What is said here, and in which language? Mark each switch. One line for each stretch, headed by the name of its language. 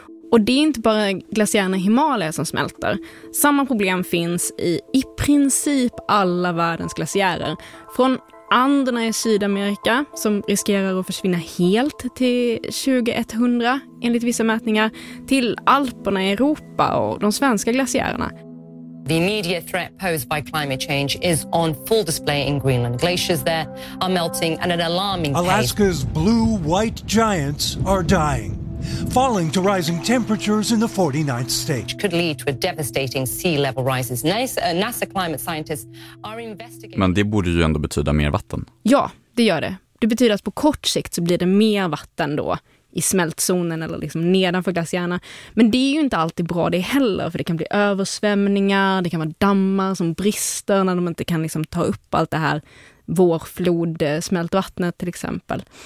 Swedish: Och det är inte bara glaciärerna i Himalaya som smälter. Samma problem finns i princip alla världens glaciärer. Från Anderna i Sydamerika som riskerar att försvinna helt till 2100 enligt vissa mätningar, till Alperna i Europa och de svenska glaciärerna.
English: The immediate threat posed by climate change is on full display in Greenland. Glaciers there are melting at an alarming pace. Alaska's blue-white giants are dying, falling to rising temperatures in the 49th state. Could lead to a devastating sea level rises. NASA climate scientists are investigating.
Swedish: Men det borde ju ändå betyda mer vatten. Ja, det gör det. Det betyder att på kort sikt så blir det mer vatten då. I smältzonen eller liksom nedanför glaciärerna. Men det är ju inte alltid bra det heller, för det kan bli översvämningar, det kan vara dammar som brister när de inte kan liksom ta upp allt det här vårflodsmältvattnet till exempel.